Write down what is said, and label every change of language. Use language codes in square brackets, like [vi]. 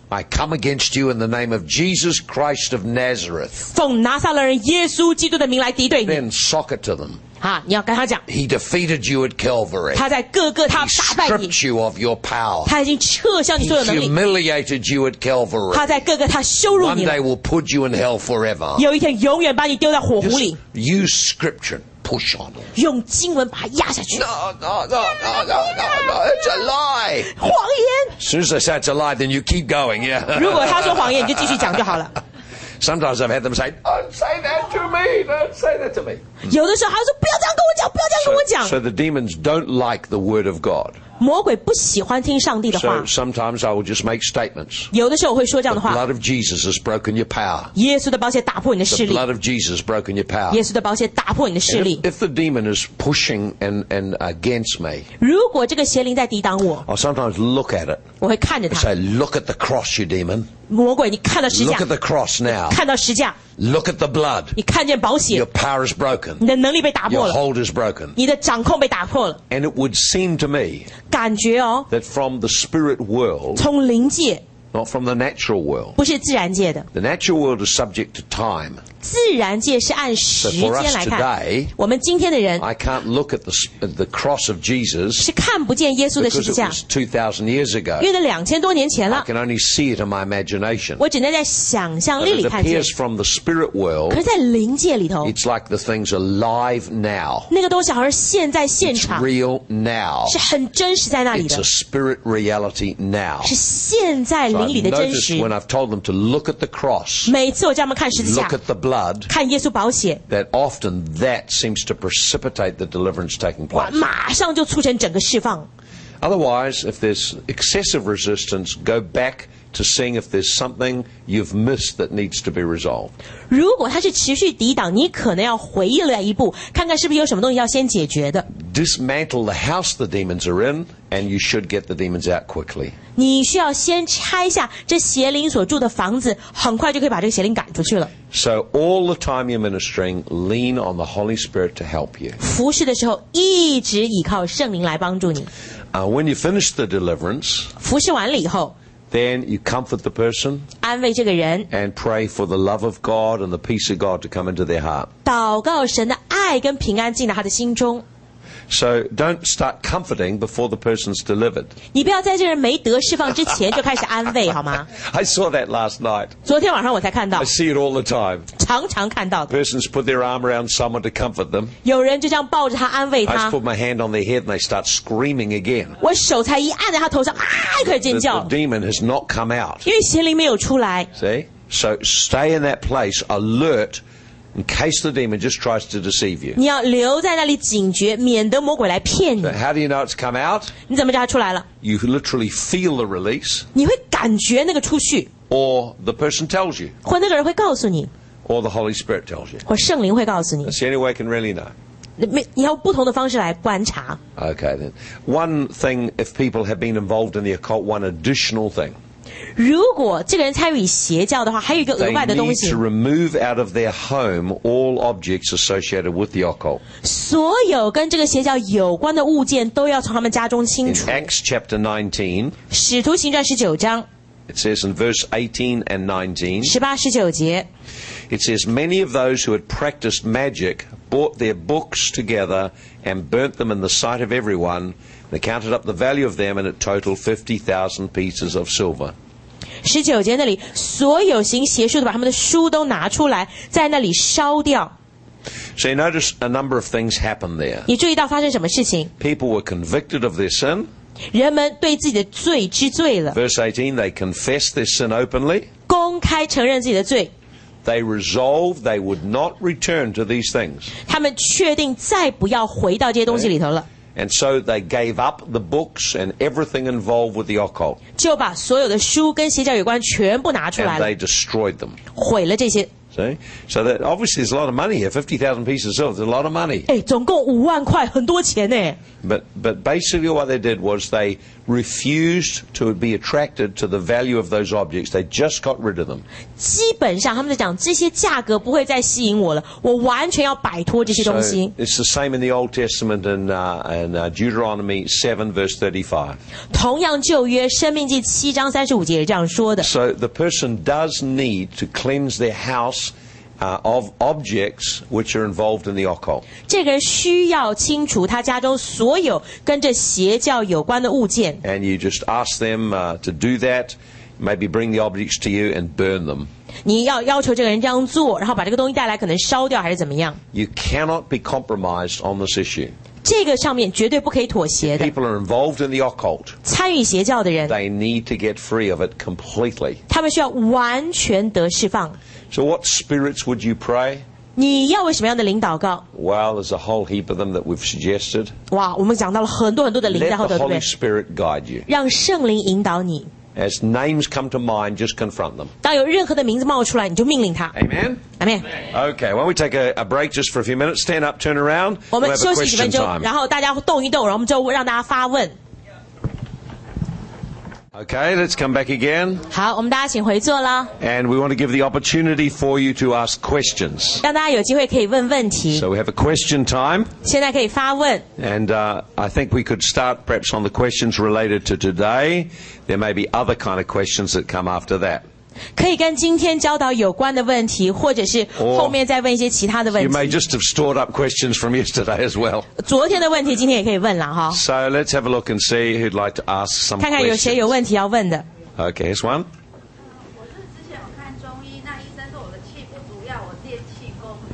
[en] I come against you in the name of Jesus Christ of Nazareth. [zh] 奉拿撒勒人耶稣基督的名来敌对你。 [en] Then sock it to them. [zh] 啊、你要跟他讲 [en] He defeated you at Calvary. [zh] 他在各个他打败你 [en] He stripped you of your power. [zh] 他已经撤销你所有能力 [en] He humiliated you at Calvary. [zh] 他在各个他羞辱你 [en] One day will put you in hell forever. [zh] 有一天永远把你丢在火湖里 [en] Use scripture, push on. [zh] 用经文把他压下去 [en] No, it's a lie. [zh] 谎言 [en] As soon as they say it's a lie, then you keep going, yeah. [zh] 如果他说谎言，你就继续讲就好了 [en] Sometimes I've had them say, "Don't say that to me. Don't say that to me." [zh] 有的时候他说不要这样跟我讲，不要这样跟我讲。 [en] So the demons don't like the word of God. [zh] 魔鬼不喜欢听上帝的话。 [en] So sometimes I will just make statements. [zh] 有的时候我会说这样的话。 [en] The blood of Jesus has broken your power. [zh] 耶稣的宝血打破你的势力。 [en] The blood of Jesus has broken your power. [zh] 耶稣的宝血打破你的势力。 [en] If the demon is pushing and against me, [zh] 如果这个邪灵在抵挡我 [en] ，I sometimes look at it. [zh] 我会看着他。 [en] Say, "Look at the cross, you demon." [zh] 魔鬼，你看到十架。 [en] Look at the cross now. [zh] 看到十架。 [en] Look at the blood. [zh] 你看见宝血。 [en] Your power is broken. [zh] 你的能力被打破了。 [en] Your hold is broken. [zh] 你的掌控被打破了。 [en] And it would seem to me. [zh] 感觉哦。 [en] That from the spirit world. [zh] 从灵界。 [en] Not from the natural world. [zh] 不是自然界的。 [en] The natural world is subject to time. [zh] 自然界是按时间来看。 [en] So for us today. [zh] 我们今天的人。 [en] I can't look at the cross of Jesus. [zh] 是看不见耶稣的十字架。 [en] Because it was 2,000 years ago. [zh] 约了2000多年前了。 [en] I can only see it in my imagination. [zh] 我只能在想象力里看见。 [en] But it appears from the spirit world. [zh] 可是在灵界里头。 [en] It's like the thing's alive now. [zh] 那个东西好像现在现场。 [en] It's real now. [zh] 是很真实在那里的。 [en] It's a spirit reality now. [zh] 是现在灵。 [en] I've noticed when I've told them to look at the cross, [zh] 每次我叫他们看十字架 [en] look at the blood, [zh] 看耶稣宝血 [en] that often that seems to precipitate the deliverance taking place. [zh] 马上就促成整个释放 [en] Otherwise, if there's excessive resistance, go back to seeing if there's something you've missed that needs to be resolved. [zh] 如果它是持续抵挡，你可能要回忆了一步，看看是不是有什么东西要先解决的。 [en] Dismantle the house the demons are in, and you should get the demons out quickly. [zh] 你需要先拆下这邪灵所住的房子，很快就可以把这个邪灵赶出去了。 [en] So all the time you're ministering, lean on the Holy Spirit to help you. [zh] 服事的时候一直倚靠圣灵来帮助你。 [en] When you finish the deliverance, [zh] 服事完了以后。 [en] Then you comfort the person, [zh] 安慰这个人, [en] and pray for the love of God and the peace of God to come into their heart. [zh] 祷告神的爱跟平安进到他的心中。 [en] So don't start comforting before the person's delivered. [zh] 你不要在这人没得释放之前就开始安慰，好吗？ [en] I saw that last night. [zh] 昨天晚上我才看到。 [en] I see it all the time. [zh] 常常看到的。 [en] Persons put their arm around someone to comfort them. [zh] 有人就这样抱着他安慰他。 [en] I just put my hand on their head and they start screaming again. [zh] 我手才一按在他头上，啊，开始尖叫。 [en] The demon has not come out. [zh] 因为邪灵没有出来。 [en] See? So stay in that place, alert. In case the demon just tries to deceive you. [zh] 你要留在那里警觉，免得魔鬼来骗你。 [en] So how do you know it's come out? [zh] 你怎么知道它出来了？ [en] You literally feel the release. [zh] 你会感觉那个出去。 [en] Or the person tells you. [zh] 或那个人会告诉你。 [en] Or the Holy Spirit tells you. [zh] 或圣灵会告诉你。 [en] That's the only way I can really know. [zh] 你要不同的方式来观察。 [en] Okay then. One thing, if people have been involved in the occult, one additional thing. [zh] 如果这个人参与邪教的话，还有一个额外的东西。 [en] They need to remove out of their home all objects associated with the occult. [zh] 所有跟这个邪教有关的物件都要从他们家中清除。 [en] In Acts chapter 19, [zh] 使徒行传十九章。 [en] It says in verse 18 and 19, [zh] 十八十九节。 [en] It says many of those who had practiced magic brought their books together and burnt them in the sight of everyone. They counted up the value of them and it totaled 50,000 pieces of silver. [zh] 十九节那里，所有行邪术的把他们的书都拿出来，在那里烧掉。 [en] So you notice a number of things happened there. [zh] 你注意到发生什么事情 [en] ？People were convicted of their sin. [zh] 人们对自己的罪知罪了。 [en] Verse 18, they confessed their sin openly. [zh] 公开承认自己的罪。 [en] They resolved they would not return to these things. [zh] 他们确定再不要回到这些东西里头了。 [en] And so they gave up the books and everything involved with the occult. [zh] 就把所有的书跟邪教有关全部拿出来了。 [en] And they destroyed them. [zh] 毁了这些。 [en] See? So that obviously there's a lot of money here. 50,000 pieces of silver, there's a lot of money. [zh] 哎，总共五万块，很多钱呢。 [en] But basically what they did was they refused to be attracted to the value of those objects. They just got rid of them. [zh] 基本上他们在讲这些价格不会再吸引我了，我完全要摆脱这些东西。 [en] So, it's the same in the Old Testament and Deuteronomy 7 verse 35. [zh] 同样旧约申命记七章三十五节也这样说的。 [en] So the person does need to cleanse their house of objects which are involved in the occult. [zh] 这个人需要清除他家中所有跟这邪教有关的物件。 [en] And you just ask them to do that, maybe bring the objects to you and burn them. [zh] 你要要求这个人这样做，然后把这个东西带来，可能烧掉还是怎么样 [en] ？You cannot be compromised on this issue. [zh] 这个上面绝对不可以妥协的。 [en] People are involved in the occult. [zh] 参与邪教的人 [en] ，they need to get free of it completely. [zh] 他们需要完全得释放。 [en] So what spirits would you pray? [zh] 你要为什么样的灵祷告？ [en] Well, there's a whole heap of them that we've suggested. [zh] 哇，我们讲到了很多很多的灵，然后对不对？ [en] Let the Holy Spirit guide you. [zh] 让圣灵引导你。 [en] As names come to mind, just confront them. [zh] 当有任何的名字冒出来，你就命令他。 [en] Amen. Amen. Okay, why don't we take a break just for a few minutes? Stand up, turn around. [zh] 我们休息几分钟，然后大家动一动，然后我们就让大家发问。 [en] Okay, let's come back again. [zh] 好，我们大家请回坐啦。 [en] And we want to give the opportunity for you to ask questions. [zh] 让大家有机会可以问问题。 [en] So we have a question time. [zh] 现在可以发问。 [en] And I think we could start perhaps on the questions related to today. There may be other kind of questions that come after that. [zh] 可以跟今天教导有关的问题，或者是后面再问一些其他的问题。 [en] You may just have stored up questions from yesterday as well. [zh] 昨天的问题今天也可以问了哈。 [en] So let's have a look and see who'd like to ask some questions. [zh] 看看有谁有问题要问的。 [en] Okay, here's one. [zh] 我是之前有看中医，那医生说我的气不足，要我练气功。